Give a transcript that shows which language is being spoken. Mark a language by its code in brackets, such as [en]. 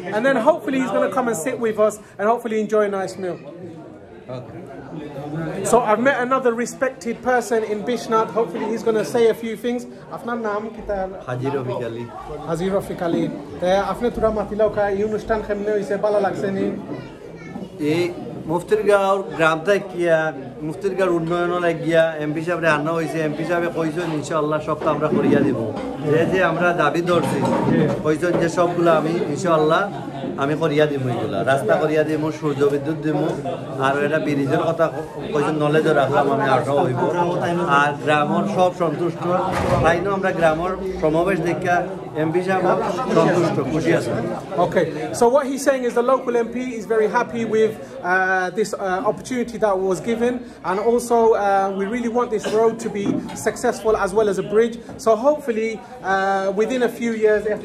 [en] And then hopefully he's going to come and sit with us and hopefully enjoy a nice meal. So I've met another respected person in Bishnath. Hopefully he's going to say a few things. [bn] আপনার নাম কি তার হাজির রফিক আলী তে আপনি তোরা মাতিলা ওকা এই অনুষ্ঠান কেমনে হইছে ভালো লাগছে নি এই মুফতিরগাঁও গ্রামটা কিয়া মুফতিরগাঁও উন্নয়ন লাগ গিয়া এমপি সাহেবরে আনা হইছে এমপি সাহেবে কইছেন ইনশাআল্লাহ সব তো আমরা করিয়া দিব যে যে আমরা দাবি ধরছি কইছেন যে সবগুলো আমি ইনশাআল্লাহ আমি করিয়া দিব এগুলা রাস্তা করিয়া দিব সূর্য বিদ্যুৎ দিব আর এটা ব্রিজের কথা কইছেন নলেজ রাখলাম আমি আঠা হইব আর গ্রামের সব সন্তুষ্ট তাই আমরা গ্রামের সমাবেশ দেখিয়া MP Shahab সন্তুষ্ট খুশি আছে [en] Okay so what he's saying is the local MP is very happy with this opportunity that was given and also we really want this road to be successful as well as a bridge so hopefully within a few years